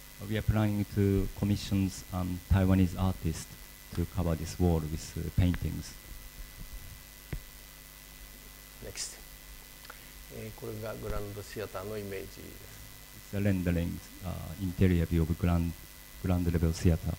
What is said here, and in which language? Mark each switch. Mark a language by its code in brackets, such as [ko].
[en] We are planning to commission Taiwanese artists to cover this wall with paintings. Next. [ja] これがグランドシアターのイメージです。 [en] It's a rendering interior view of grand level theater.